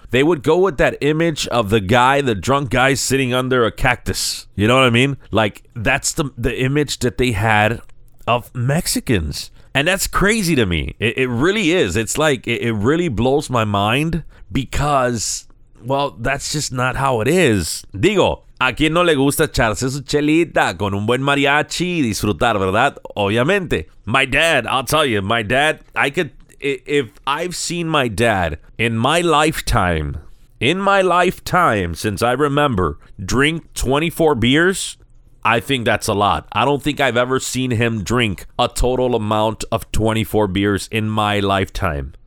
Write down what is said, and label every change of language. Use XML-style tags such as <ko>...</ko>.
<en>They would go with that image of the guy, the drunk guy sitting under a cactus. You know what I mean? Like, that's the image that they had of Mexicans. And that's crazy to me. It really is. It's like, it really blows my mind because, well, that's just not how it is.</en> <es>Digo, ¿a quién no le gusta echarse su chelita con un buen mariachi y disfrutar, verdad? Obviamente.</es> <en>My dad, I'll tell you, my dad, I could... If I've seen my dad in my lifetime, since I remember, drink 24 beers, I think that's a lot. I don't think I've ever seen him drink a total amount of 24 beers in my lifetime.</en>